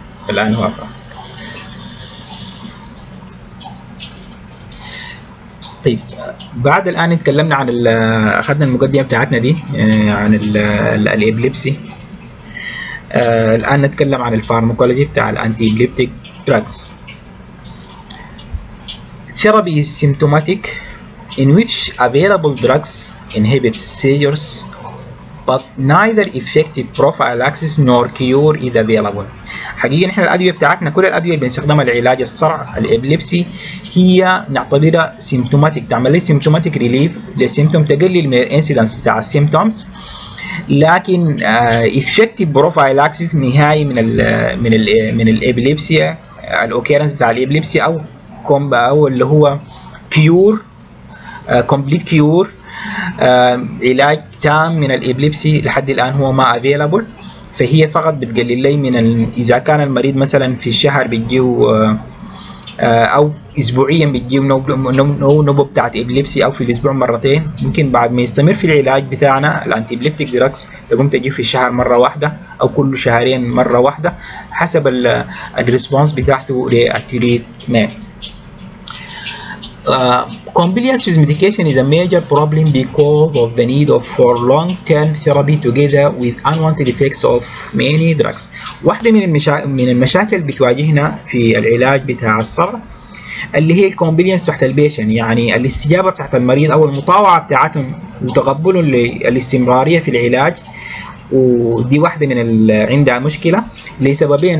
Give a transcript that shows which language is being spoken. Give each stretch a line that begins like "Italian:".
Arabic: الآن هو طيب. بعد الآن اتكلمنا عن أخذنا المقدمة بتاعتنا دي عن الإبليبسي. الآن نتكلم عن الفارماكولوجي بتاع الأنتي إبليبتيك دراجز.
English: Therapy is symptomatic in which available drugs inhibit seizures but neither effective prophylaxis nor cure is available.
Arabic: حقيقة نحن الأدوية بتاعتنا كل الأدوية اللي بنستخدمها لعلاج الصرع الإبليبسي هي نعتبرها symptomatic, تعمل
English: symptomatic relief
Arabic: للسيمتوم, تقلل من الانسيدنس بتاع السيمتومز, لكن
English: effective prophylaxis
Arabic: نهائي من الـ من الـ من الإبليبسي الأوكيرنس بتاع الإبليبسي أو كومبا أو اللي هو كيور كومبليت كيور علاج تام من الإبليبسي لحد الآن هو ما أفيلابل. فهي فقط بتقلل لي من إذا كان المريض مثلا في الشهر بيجيه أو أسبوعيا بيجيه نوبة بتاعت إبليبسي أو في الأسبوع مرتين, ممكن بعد ما يستمر في العلاج بتاعنا الأنتي إبليبتيك دراكس تقوم تجيه في الشهر مرة واحدة أو كل شهرين مرة واحدة حسب الريسبونس بتاعته للتريت مان.
English: Compliance with medication is a major problem because of the need of for long-term therapy together with unwanted effects of many drugs.
Arabic: واحدة من المشاكل اللي بتواجهنا في العلاج بتاع الصرع اللي هي compliance بتاعت البيشن, يعني الاستجابة بتاعت المريض أو المطاوعة بتاعتهم وتقبلهم للاستمرارية في العلاج, ودي واحدة من عندها مشكلة لسببين.